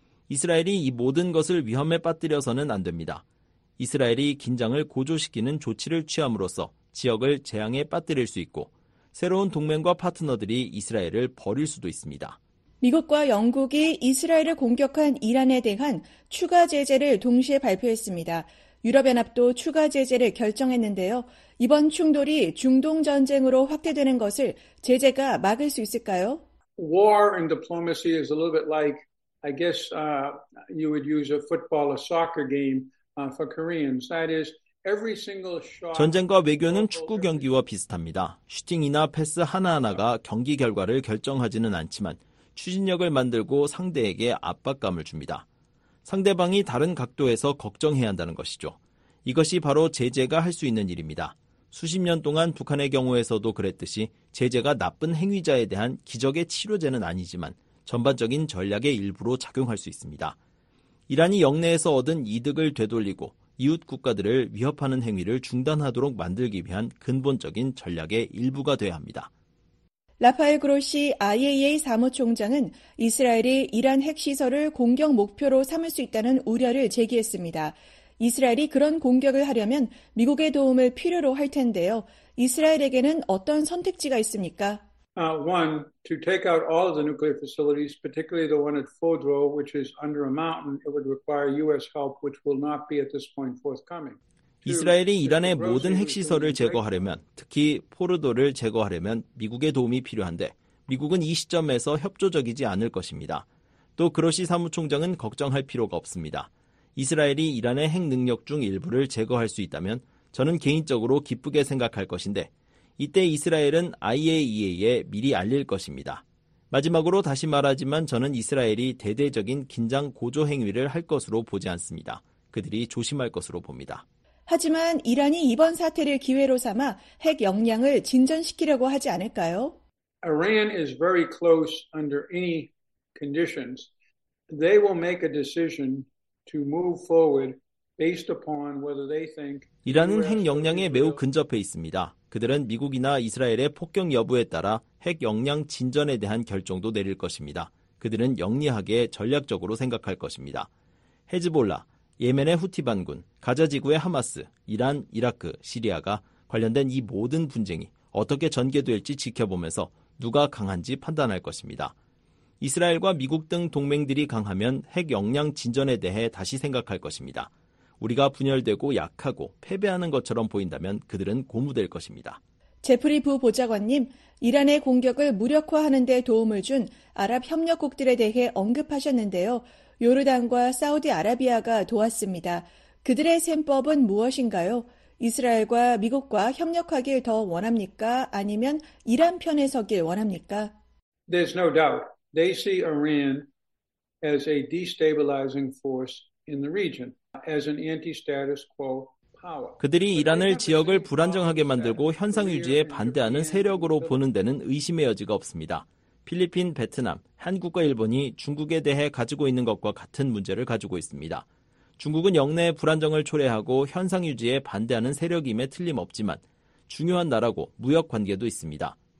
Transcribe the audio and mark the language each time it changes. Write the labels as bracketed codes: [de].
[ko] 이스라엘이 이 모든 것을 위험에 빠뜨려서는 안 됩니다. 이스라엘이 긴장을 고조시키는 조치를 취함으로써 지역을 재앙에 빠뜨릴 수 있고 새로운 동맹과 파트너들이 이스라엘을 버릴 수도 있습니다. 미국과 영국이 이스라엘을 공격한 이란에 대한 추가 제재를 동시에 발표했습니다. 유럽연합도 추가 제재를 결정했는데요. 이번 충돌이 중동전쟁으로 확대되는 것을 제재가 막을 수 있을까요? [en] War and diplomacy is a little bit like, I guess you would use a football or soccer game. For Koreans, that is every single shot. [ko] 전쟁과 외교는 축구 경기와 비슷합니다. 슈팅이나 패스 하나하나가 경기 결과를 결정하지는 않지만 추진력을 만들고 상대에게 압박감을 줍니다. 상대방이 다른 각도에서 걱정해야 한다는 것이죠. 이것이 바로 제재가 할 수 있는 일입니다. 수십 년 동안 북한의 경우에서도 그랬듯이 제재가 나쁜 행위자에 대한 기적의 치료제는 아니지만 전반적인 전략의 일부로 작용할 수 있습니다. 이란이 영내에서 얻은 이득을 되돌리고 이웃 국가들을 위협하는 행위를 중단하도록 만들기 위한 근본적인 전략의 일부가 돼야 합니다. 라파엘 그로시 IAEA 사무총장은 이스라엘이 이란 핵시설을 공격 목표로 삼을 수 있다는 우려를 제기했습니다. 이스라엘이 그런 공격을 하려면 미국의 도움을 필요로 할 텐데요. 이스라엘에게는 어떤 선택지가 있습니까? [en] One to take out all of the nuclear facilities, particularly the one at Fordo, which is under a mountain. It would require U.S. help, which will not be at this point forthcoming. [ko] 이스라엘이 이란의 모든 핵시설을 제거하려면, 특히 포르도를 제거하려면 미국의 도움이 필요한데, 미국은 이 시점에서 협조적이지 않을 것입니다. 또 그로시 사무총장은 걱정할 필요가 없습니다. 이스라엘이 이란의 핵 능력 중 일부를 제거할 수 있다면, 저는 개인적으로 기쁘게 생각할 것인데, 이때 이스라엘은 IAEA에 미리 알릴 것입니다. 마지막으로 다시 말하지만 저는 이스라엘이 대대적인 긴장 고조 행위를 할 것으로 보지 않습니다. 그들이 조심할 것으로 봅니다. 하지만 이란이 이번 사태를 기회로 삼아 핵 역량을 진전시키려고 하지 않을까요? [en] Iran is very close under any conditions. They will make a decision to move forward based upon whether they think [ko] 이란은 핵 역량에 매우 근접해 있습니다. 그들은 미국이나 이스라엘의 폭격 여부에 따라 핵 역량 진전에 대한 결정도 내릴 것입니다. 그들은 영리하게 전략적으로 생각할 것입니다. 헤즈볼라, 예멘의 후티 반군, 가자 지구의 하마스, 이란, 이라크, 시리아가 관련된 이 모든 분쟁이 어떻게 전개될지 지켜보면서 누가 강한지 판단할 것입니다. 이스라엘과 미국 등 동맹들이 강하면 핵 역량 진전에 대해 다시 생각할 것입니다. 우리가 분열되고 약하고 패배하는 것처럼 보인다면 그들은 고무될 것입니다. 제프리 부보좌관님, 이란의 공격을 무력화하는 데 도움을 준 아랍협력국들에 대해 언급하셨는데요. 요르단과 사우디아라비아가 도왔습니다. 그들의 셈법은 무엇인가요? 이스라엘과 미국과 협력하길 더 원합니까? 아니면 이란 편에 서길 원합니까? [en] There's no doubt. They see Iran as a destabilizing force in the region, as an anti-status quo. [ko] 그들이 이란을 지역을 불안정하게 만들고 현상 유지에 반대하는 세력으로 보는 데는 의심의 여지가 없습니다. 필리핀, 베트남, 한국과 일본이 중국에 대해 가지고 있는 것과 같은 문제를 가지고 있습니다. 중국은 역내 불안정을 초래하고 현상 유지에 반대하는 세력임에 틀림없지만 중요한 나라고 무역 관계도 있습니다.